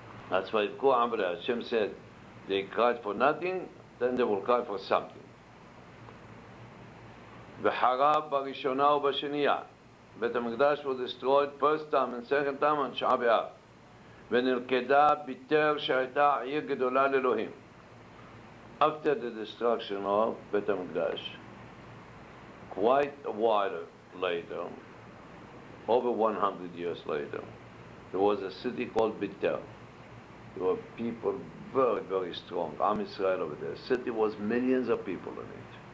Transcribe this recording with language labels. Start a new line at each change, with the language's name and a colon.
English: That's why Ku Amr Hashem said, they cried for nothing, then they will cry for something.
Hebrew: וחרב בראשונה ובשנייה.
English: בית המקדש was destroyed first time and second time on שעבאב.
Hebrew: ונלכדה ביתר שהייתה עיר גדולה לאלוהים.
English: After the destruction of בית המקדש, quite a while later, over 100 years later, there was a city called ביתר. There were people very, very strong. Am Israel over there. The city was millions of people in it.